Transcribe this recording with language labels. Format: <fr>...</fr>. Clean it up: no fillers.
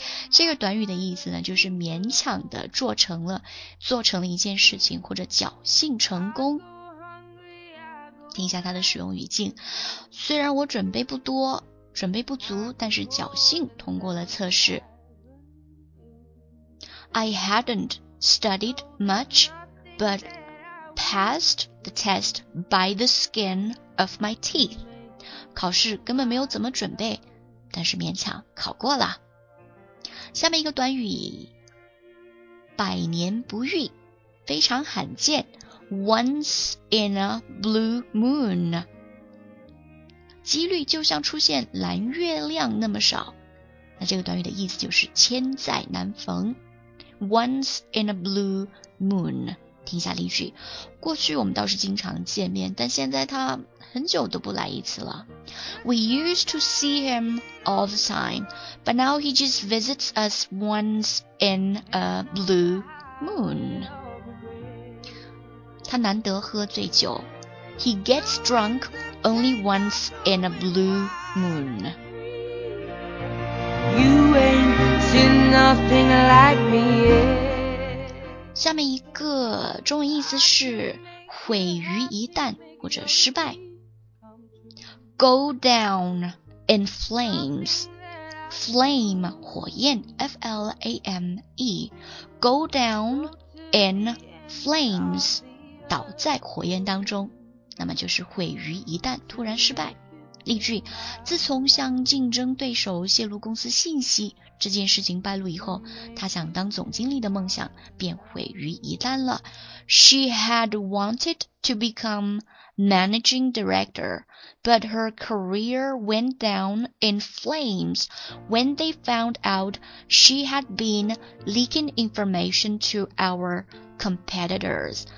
<zh>这个短语的意思呢，就是勉强的做成了一件事情，或者侥幸成功。听一下它的使用语境，虽然我准备不多，准备不足，但是侥幸通过了测试。</zh> <en>I hadn't studied much, but passed the test by the skin of my teeth.</en> <zh>考试根本没有怎么准备，但是勉强考过了。下面一个短语，百年不遇，非常罕见。</zh> <en>Once in a blue moon.</en> <zh>几率就像出现蓝月亮那么少。那这个短语的意思就是千载难逢。</zh> <en>Once in a blue moon.</en> <zh>听一下例句，过去我们倒是经常见面，但现在他很久都不来一次了。</zh> <en>We used to see him all the time, but now he just visits us once in a blue moon.</en> <zh>他难得喝醉酒。</zh> <en>He gets drunk only once in a blue moon. You ain't seen nothing like me yet.</en> <zh>下面一个中文意思是毁于一旦或者失败。</zh> <en>Go down in flames. Flame, 火焰 ,F-L-A-M-E. Go down in flames.</en> <zh>倒在火焰当中，那么就是毁于一旦，突然失败。例句，自从向竞争对手泄露公司信息这件事情败露以后，他想当总经理的梦想便毁于一旦了。</zh> <en>She had wanted to become managing director, but her career went down in flames when they found out she had been leaking information to our competitors.</en>